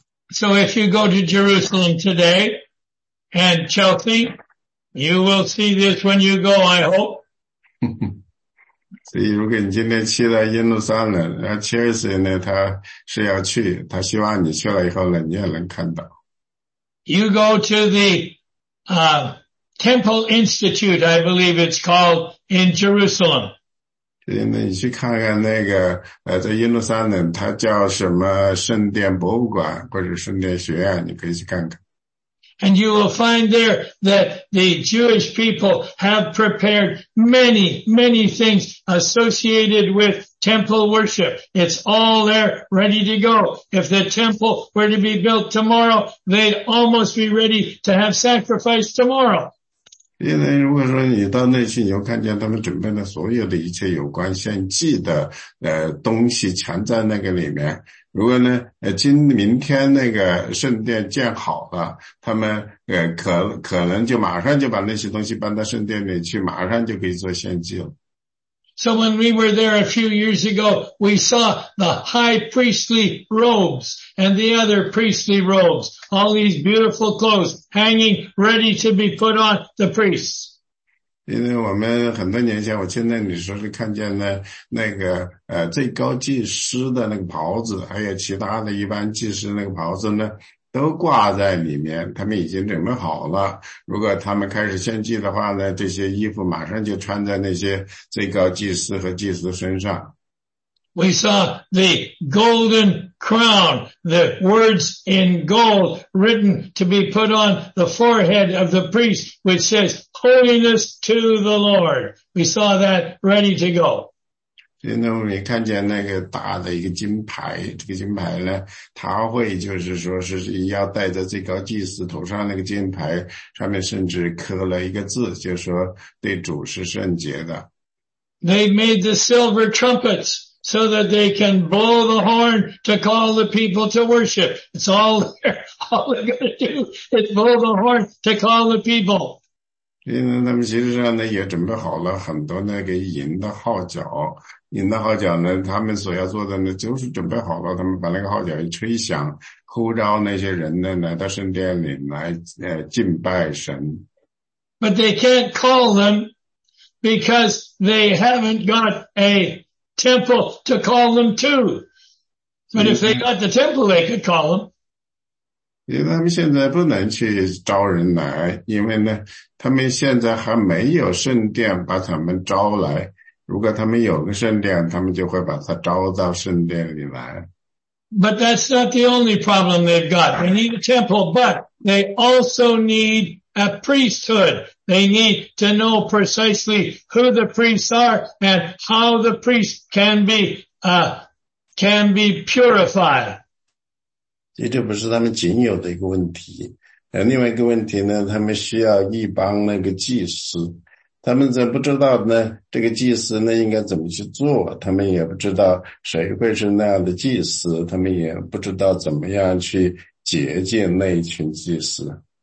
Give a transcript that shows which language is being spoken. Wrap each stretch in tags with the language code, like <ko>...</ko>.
<en>So if you go to Jerusalem today and Chelsea, you will see this when you go, I hope.</en> <zh>所以如果你今天去了耶路撒冷，然后Chelsea呢，他是要去，他希望你去了以后呢，你也能看到。</zh> <en>You go to the Temple Institute, I believe it's called, in Jerusalem.</en> <zh>对，那你去看看那个在耶路撒冷，它叫什么圣殿博物馆或者圣殿学院，你可以去看看。</zh> <en>And you will find there that the Jewish people have prepared many, many things associated with temple worship. It's all there, ready to go. If the temple were to be built tomorrow, they'd almost be ready to have sacrifice tomorrow.</en> <zh>因为如果说你到那去，你就看见他们准备的所有的一切有关献祭的东西全在那个里面。如果呢，明天那个圣殿建好了，他们可能就马上就把那些东西搬到圣殿里去，马上就可以做献祭了。</zh> <en>So when we were there a few years ago, we saw the high priestly robes and the other priestly robes, all these beautiful clothes hanging ready to be put on the priests.</en> <zh>因为我们很多年前，我去那里说是看见呢，那个最高祭司的那个袍子，还有其他的一般祭司那个袍子呢，都挂在里面，他们已经准备好了。如果他们开始献祭的话呢，这些衣服马上就穿在那些最高祭司和祭司身上。</zh> <en>We saw the golden crown, the words in gold written to be put on the forehead of the priest, which says holiness to the Lord. We saw that ready to go.</en> <zh>所以呢，我们看见那个大的一个金牌，这个金牌呢，它会就是说是要戴在最高祭司头上，那个金牌上面甚至刻了一个字，就说对主是圣洁的。</zh> <en>They made the silver trumpets so that they can blow the horn to call the people to worship. It's all there. All they're going to do is blow the horn to call the people.</en> <zh>所以呢，他们其实上呢也准备好了很多那个银的号角，银的号角呢，他们所要做的呢就是准备好了，他们把那个号角一吹响，呼召那些人呢来到圣殿里来敬拜神。</zh> <en>But they can't call them because they haven't got a temple to call them to. But if they got the temple, they could call them.</en> <zh>因为他们现在不能去招人来，因为呢，他们现在还没有圣殿把他们招来，如果他们有个圣殿，他们就会把他招到圣殿里来。</zh> <en>But that's not the only problem they've got. They need a temple, but they also need a priesthood. They need to know precisely who the priests are and how the priests can be purified.</en> <zh>这就不是他们仅有的一个问题。另外一个问题呢，他们需要一帮那个祭司。他们怎么不知道呢？这个祭司呢应该怎么去做？他们也不知道谁会是那样的祭司，他们也不知道怎么样去洁净那一群祭司。</zh>